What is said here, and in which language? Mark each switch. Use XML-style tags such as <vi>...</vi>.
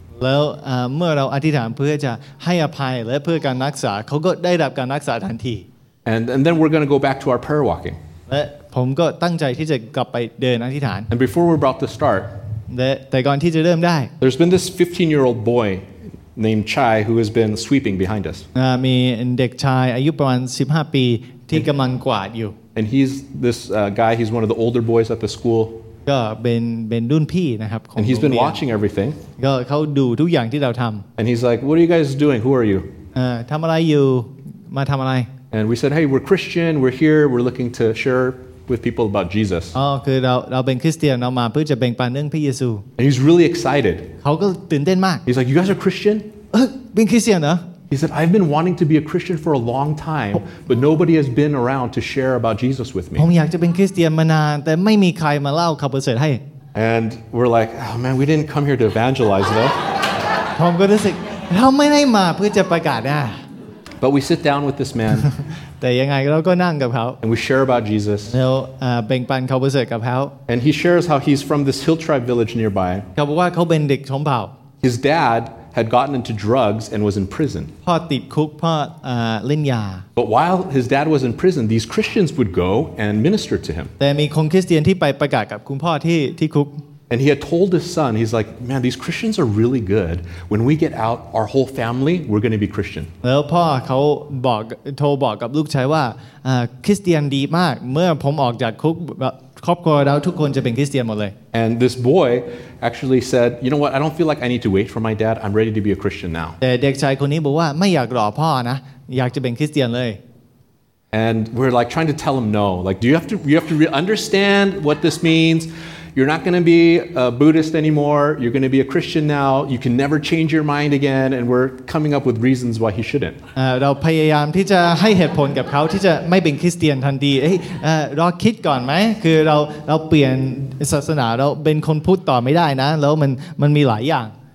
<th>แล้วเมื่อเราอธิษฐานเพื่อจะให้อภัยและเพื่อการรักษาเขาก็ได้รับการรักษาทันที</th> <en>And then we're going to go back to our prayer walking.</en> <th>และผมก็ตั้งใจที่จะกลับไปเดินอธิษฐาน</th> <en>And before we're about to start.</en> <th>แต่ก่อนที่จะเริ่มได้</th> <en>There's been this 15-year-old boy named Chai who has been sweeping behind us.</en> <th>มีเด็กชายอายุประมาณ15ปีที่กำลังกวาดอยู่</th> <en>And he's this guy. He's one of the older boys at the school.</en> <th>ก็เป็นรุ่นพี่นะครับ</th> <en>And he's been watching everything.</en> <th>ก็เขาดูทุกอย่างที่เราทำ</th> <en>And he's like, "What are you guys doing? Who are you?"</en> <th>ทำอะไรอยู่มาทำอะไร</th> <en>And we said, "Hey, we're Christian. We're here. We're looking to share with people about Jesus."</en> <th>อ๋อคือเราเป็นคริสเตียนเรามาเพื่อจะแบ่งปันเรื่องพระเยซู</th> <en>And he's really excited.</en> <th>เขาก็ตื่นเต้นมาก</th> <en>He's like, "You guys are Christian?"</en> <th>เป็นคริสเตียนเหรอ</th> <en>He said, "I've been wanting to be a Christian for a long time, but nobody has been around to share about Jesus with me."</en> <th>ผมอยากจะเป็นคริสเตียนมานานแต่ไม่มีใครมาเล่าข่าวประเสริฐให้</th> <en>And we're like, "Oh man, we didn't come here to evangelize, though."</en> <th>ผมก็รู้สึกเราไม่ได้มาเพื่อจะประกาศนะ</th> <en>But we sit down with this man.</en> <th>แต่ยังไงเราก็นั่งกับเขา</th> <en>And we share about Jesus.</en> <th>แล้วแบ่งปันข่าวประเสริฐกับเขา</th> <en>And he shares how he's from this hill tribe village nearby.</en> <th>เขาบอกว่าเขาเป็นเด็กชนเผ่า</th> <en>His dad. Had gotten into drugs and was in prison.</en> <th>พ่อติดคุกพ่อเล่นยา</th> <en>But while his dad was in prison, these Christians would go and minister to him.</en> <th>แต่มีคนคริสเตียนที่ไปประกาศกับคุณพ่อที่คุก</th> <en>And he had told his son, he's like, "Man, these Christians are really good. When we get out, our whole family, we're going to be Christian."</en> <th>แล้วพ่อเขาบอกโทรบอกกับลูกชายว่าคริสเตียนดีมากเมื่อผมออกจากคุกครอบครัวเราทุกคนจะเป็นคริสเตียนหมดเลย</th> <en>And this boy actually said, "You know what? I don't feel like I need to wait for my dad. I'm ready to be a Christian now."</en> <th>แต่เด็กชายคนนี้บอกว่าไม่อยากรอพ่อนะอยากจะเป็นคริสเตียนเลย</th> <en>And we're like trying to tell him no. Like, do you have to understand what this means? You're not going to be a Buddhist anymore. You're going to be a Christian now. You can never change your mind again. And we're coming up with reasons why he shouldn't.</en> <th>เราพยายามที่จะให้เหตุผลกับเขาที่จะไม่เป็นคริสเตียนทันทีเอ้ยรอคิดก่อนไหมคือเราเปลี่ยนศาสนาเราเป็นคนพูดต่อไม่ได้นะแล้วมันมีหลายอย่าง</th>